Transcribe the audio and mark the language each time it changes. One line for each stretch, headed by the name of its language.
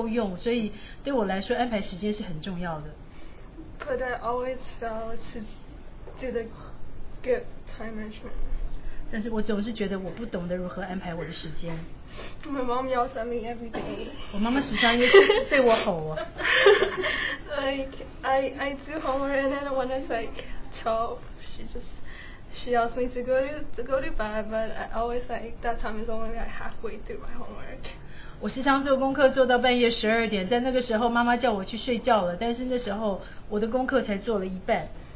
Chinese: 那也就是说我每天有很多的课要上，我时间不够用，所以对我来说安排时间是很重要的。
English: But I always fail to do the good time management.
Chinese: 但是我总是觉得我不懂得如何安排我的时间。
English: My mom yells at me every day.
Chinese: 我妈妈时常也对我吼啊。
English: Like I do homework, and then when it's like 12, she yells me to go to bed, but I always like that time is only like halfway through my homework.
Chinese: 我时常做功课做到半夜12点，在那个时候妈妈叫我去睡觉了，但是那时候我的功课才做了一半。